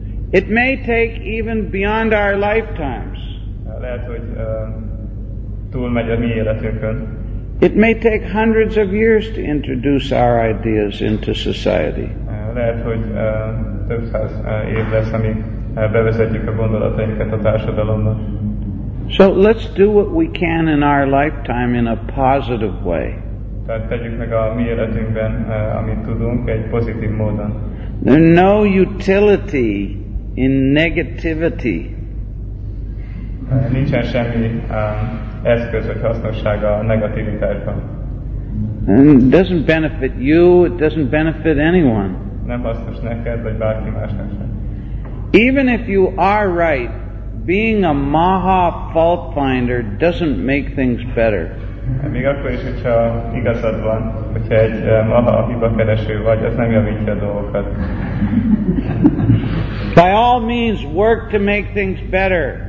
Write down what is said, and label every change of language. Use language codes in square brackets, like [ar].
[en] It may take even beyond our lifetimes. [hu] Lehet, hogy túlmegy a mi életünkön. [en] It may take hundreds of years to introduce our ideas into society. [hu] Lehet, hogy több száz év lesz, amíg bevezetjük a gondolatainkat a társadalomba. [en] So let's do what we can in our lifetime in a positive way. [hu] Tehát tegyük meg a mi életünkben, amit tudunk, egy pozitív módon. [en] There's no utility in negativity. [hu] Nincsen semmi eszköz vagy hasznossága a negativitásban. [en] And it doesn't benefit you, it doesn't benefit anyone. [hu] Nem hasznos neked, vagy bárki másnak sem. [en] Even if you are right, being a maha fault finder doesn't make things better. [hu] Még akkor is, hogyha igazad van, hogyha egy maha hibakereső vagy, az nem javítja a dolgokat. [en] By all means, work to make things better.